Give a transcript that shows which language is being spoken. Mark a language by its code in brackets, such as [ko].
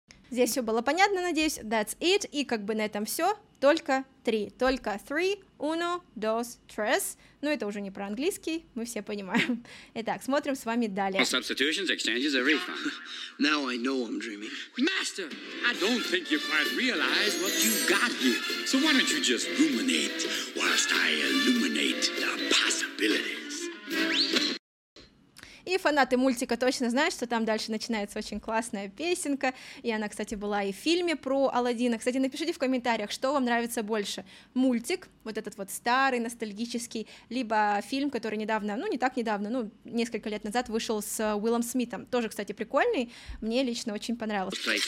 [ru] Здесь все было понятно, надеюсь. [en] That's it. [ru] И как бы на этом все. Только 3. Только 3. [es] Uno, dos, tres. [ru] Ну, это уже не про английский, мы все понимаем. Итак, смотрим с вами далее. [en] Substitutions, exchanges, everything. Now I know I'm dreaming. Master, I don't think you quite realize what you got here. So why don't you just ruminate whilst I illuminate the possibilities? [ru] И фанаты мультика точно знают, что там дальше начинается очень классная песенка, и она, кстати, была и в фильме про Аладдина. Кстати, напишите в комментариях, что вам нравится больше, мультик, вот этот вот старый, ностальгический, либо фильм, который недавно, ну не так недавно, ну несколько лет назад вышел с Уиллом Смитом, тоже, кстати, прикольный, мне лично очень понравился.